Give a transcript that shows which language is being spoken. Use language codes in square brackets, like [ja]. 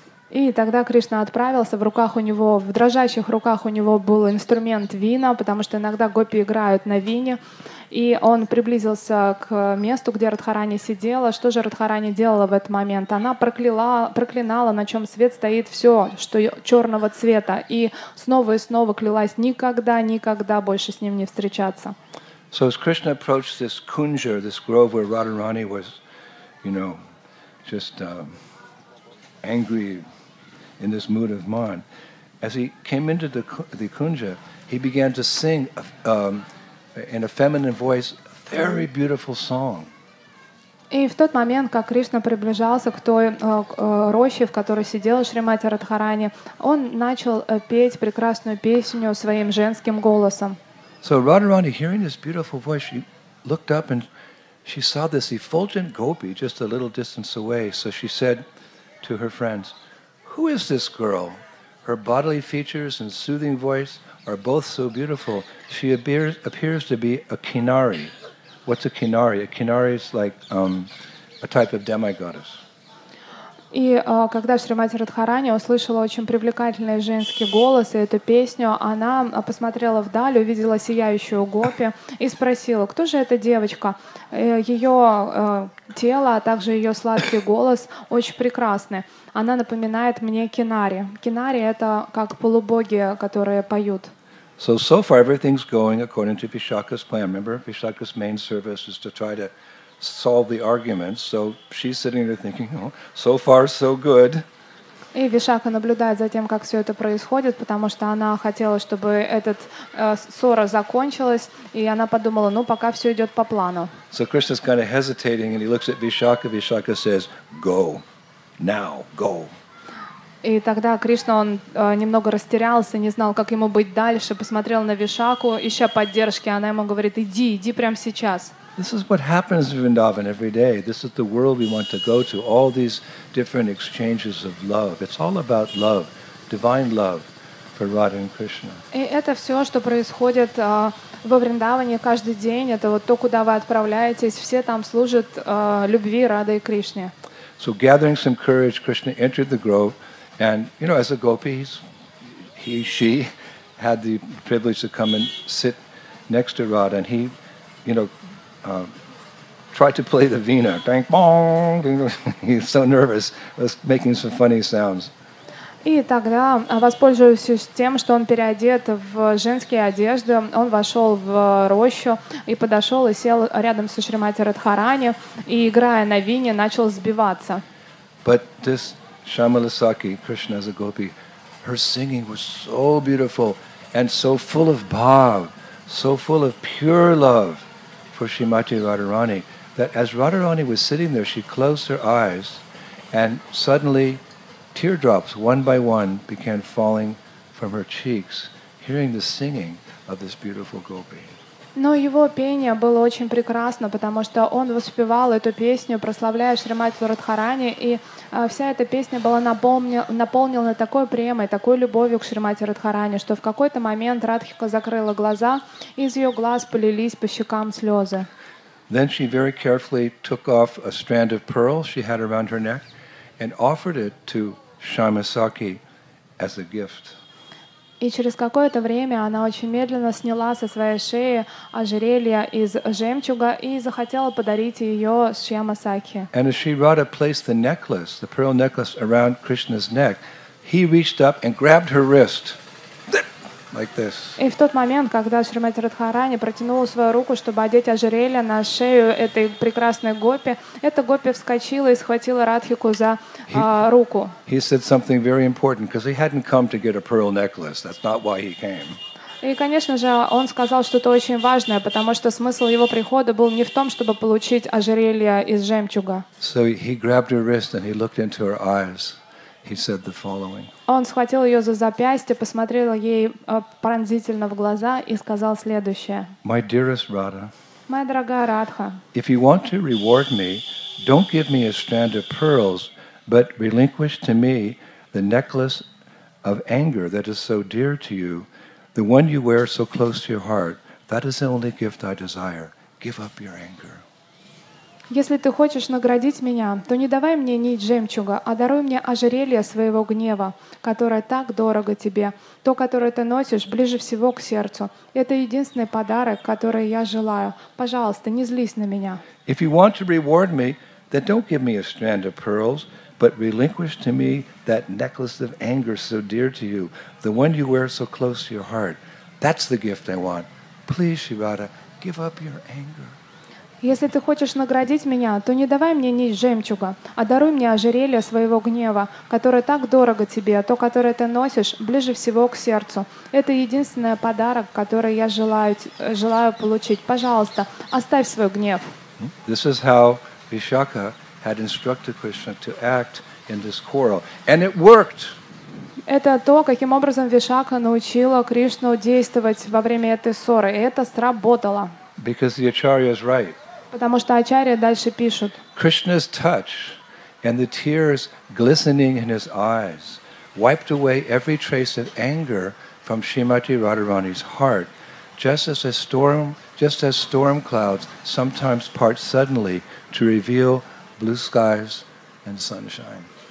[ru] И тогда Кришна отправился, в руках у него, в дрожащих руках у него был инструмент вина, потому что иногда гопи играют на вине. И он приблизился к месту, где Радхарани сидела. Что же Радхарани делала в этот момент? Она проклинала, на чем свет стоит, все, что черного цвета. И снова и снова клялась никогда, никогда больше с ним не встречаться. [en] So as Krishna approached this kunja, this grove where Radharani was, you know, just angry in this mood of mind, as he came into the kunja, he began to sing in a feminine voice a very beautiful song. [ru] И в тот момент, как Кришна приближался к той роще, в которой сидела Шримати Радхарани, он начал петь прекрасную песню своим женским голосом. [en] So Radharani, hearing this beautiful voice, she looked up and she saw this effulgent gopi just a little distance away. So she said to her friends, who is this girl? Her bodily features and soothing voice are both so beautiful. She appears to be a kinari. What's a kinari? A kinari is like a type of demigoddess. [ru] И когда Шримати Радхарани услышала очень привлекательный женский голос и эту песню, она посмотрела вдаль, увидела сияющую гопи и спросила, кто же эта девочка? Ее тело, а также ее сладкий голос очень прекрасны. Она напоминает мне кинари. Кинари — это как полубоги, которые поют. [en] So far everything's going according to Vishakha's plan. Remember, Vishakha's main service is to try to solve the arguments. So she's sitting there thinking, oh, so far so good. [ru] И Вишака наблюдает за тем, как все это происходит, потому что она хотела, чтобы этот ссора закончилась, и она подумала, ну пока все идет по плану. [en] So Krishna's kind of hesitating, and he looks at Vishakha. Vishakha says, go now, go. [ru] И тогда Кришна, он немного растерялся, не знал, как ему быть дальше, посмотрел на Вишаку, ища поддержки. Она ему говорит, иди, иди прямо сейчас. [en] This is what happens in Vrindavan every day. This is the world we want to go to. All these different exchanges of love. It's all about love, divine love, for Radha and Krishna. [ru] И это все, что происходит во Вриндаване каждый день. Это вот то, куда вы отправляетесь. Все там служат любви Рады и Кришне. [en] So gathering some courage, Krishna entered the grove, and you know, as a gopi, he/she had the privilege to come and sit next to Radha, and he, you know, tried to play the veena. Bang bong. He's so nervous. Was making some funny sounds. [ru] И тогда, воспользуясь тем, что он переодет в женские одежды, он вошел в рощу и подошел и сел рядом со Шримати Радхарани и, играя на вине, начал сбиваться. [en] But this Shyamalasakhi, Krishna as a gopi, her singing was so beautiful and so full of bhav, so full of pure love for Shrimati Radharani, that as Radharani was sitting there, she closed her eyes and suddenly teardrops, one by one, began falling from her cheeks, hearing the singing of this beautiful gopi. [ru] Но его пение было очень прекрасно, потому что он воспевал эту песню, прославляя Шримати Радхарани, и вся эта песня была наполнена такой премой, такой любовью к Шримати Радхарани, что в какой-то момент Радхика закрыла глаза, и из ее глаз полились по щекам слезы. [en] Then she very carefully took off a strand of pearl she had around her neck, and offered it to Shyamasakhi as a gift. [ru] И через какое-то время она очень медленно сняла со своей шеи ожерелье из жемчуга и захотела подарить ее Шьямасакхи. [en] And as Radha placed the necklace, the pearl necklace, around Krishna's neck, he reached up and grabbed her wrist. Like this. [ru] И в тот момент, когда Шримати Радхарани протянула свою руку, чтобы одеть ожерелье на шею этой прекрасной гопи, эта гопи вскочила и схватила Радхику за руку. [en] He said something very important, because he hadn't come to get a pearl necklace. That's not why he came. [ru] И, конечно же, он сказал что-то очень важное, потому что смысл его прихода был не в том, чтобы получить ожерелье из жемчуга. [en] So he grabbed her wrist and he looked into her eyes. He said the following. [ru] Он схватил ее за запястье, посмотрел ей пронзительно в глаза и сказал следующее. [en] My dearest Radha. [ru] Моя дорогая Радха. [en] If you want to reward me, don't give me a strand of pearls, but relinquish to me the necklace of anger that is so dear to you, the one you wear so close to your heart. That is the only gift I desire. Give up your anger. [ru] Если ты хочешь наградить меня, то не давай мне нить жемчуга, а даруй мне ожерелье своего гнева, которое так дорого тебе, то, которое ты носишь ближе всего к сердцу. Это единственный подарок, который я желаю. Пожалуйста, не злись на меня. [en] If you want to reward me, then don't give me a strand of pearls, but relinquish to me that necklace of anger so dear to you, the one you wear so close to your heart. That's the gift I want. Please, Shivada, give up your anger. [ru] Если ты хочешь наградить меня, то не давай мне нить жемчуга, а даруй мне ожерелье своего гнева, которое так дорого тебе, то, которое ты носишь, ближе всего к сердцу. Это единственный подарок, который я желаю получить. Пожалуйста, оставь свой гнев. [en] This is how Vishakha had instructed Krishna to act in this quarrel. And it worked. [ru] Это то, каким образом Вишакха научила Кришну действовать во время этой ссоры. И это сработало. [en] Because the Acharya is right. [ru] Потому что Ачарья дальше пишут. [en] Krishna's touch and the tears glistening in his eyes wiped away every trace of anger from Shrimati Radharani's heart, just as storm clouds sometimes part suddenly to reveal blue skies and sunshine.